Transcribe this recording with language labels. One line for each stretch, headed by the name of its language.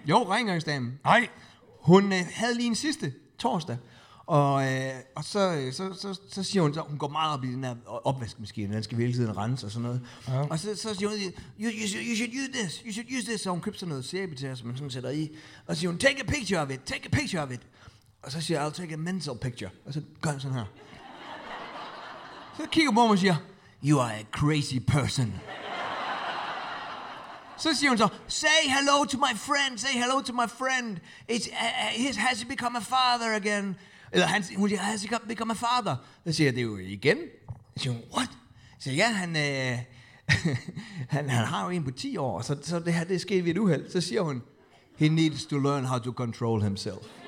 Danish: Jo, rengøringsdamen. Nej. Hun havde lige en sidste torsdag. Og så siger hun, så hun går meget op i den her opvaskemaskine, den skal hele tiden rense og sådan noget. Ja. Og så siger hun,
English: you should use this,
Danish: så hun købte sådan noget sæbe til os, som man sådan sætter i. Og siger hun,
English: take a picture of it.
Danish: Og så siger jeg,
English: I'll take a mental picture.
Danish: Og så gør jeg sådan her. Så kigger på mig og siger,
English: you are a crazy person.
Danish: Så siger hun så,
English: say hello to my friend. He has become a father again.
Danish: Eller han siger,
English: has he become a father?
Danish: Så siger jeg, det er jo igen. Så siger hun,
English: what?
Danish: Så siger jeg, han har jo en på 10 år, så det her, det er sket ved et uheld. Så siger hun,
English: he needs to learn how to control himself.